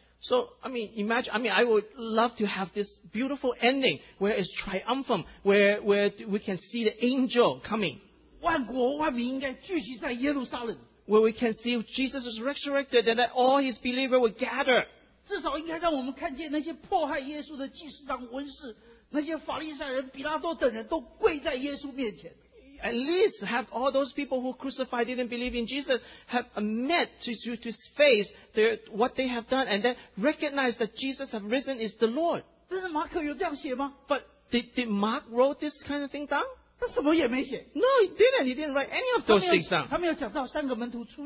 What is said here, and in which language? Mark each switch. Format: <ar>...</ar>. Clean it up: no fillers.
<en>So, I would love to have this beautiful ending where it's triumphant, where we can see the angel coming.</en> <zh>万国万民应该聚集在耶路撒冷.</zh> <en>Where we can see Jesus is resurrected and that all his believers will gather.</en> <zh>至少应该让我们看见那些迫害耶稣的祭司长、文士、那些法利赛人、比拉多等人都跪在耶稣面前.</zh> <en>At least have all those people who crucified didn't believe in Jesus have admit to face their, what they have done and then recognize that Jesus has risen is the Lord. But did Mark wrote this kind of thing down? No, he didn't. He didn't write any of those things down.</en>